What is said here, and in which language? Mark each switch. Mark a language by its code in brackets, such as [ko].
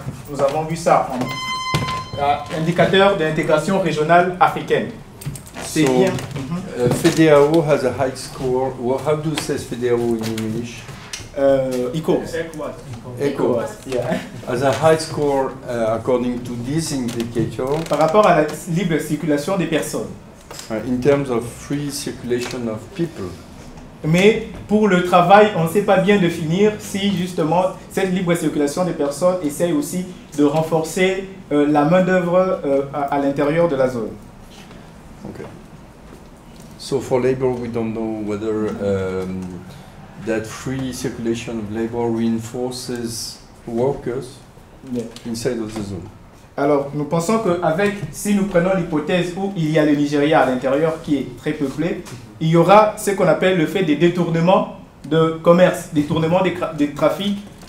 [fr] Nous avons vu ça, hein, indicateur d'intégration régionale africaine. C'est bien. [en] FEDEAO has a high score. Well, how do you say FEDEAO in English? ECOWAS. ECOWAS. Yeah. Has a high score according to this indicator. [fr] Par rapport à la libre circulation des personnes. [en] In terms of free circulation of people. [fr] Mais pour le travail, on ne sait pas bien définir si justement cette libre circulation des personnes essaye aussi de renforcer la main d'œuvre à l'intérieur de la zone. [en] Okay. So for labor, we don't know whether that free circulation of labor reinforces workers inside of the zone. [fr] Alors, nous pensons que avec, si nous prenons l'hypothèse où il y a le Nigeria à l'intérieur qui est très peuplé, il y aura ce qu'on appelle le fait des détournements de commerce, détournements des trafics.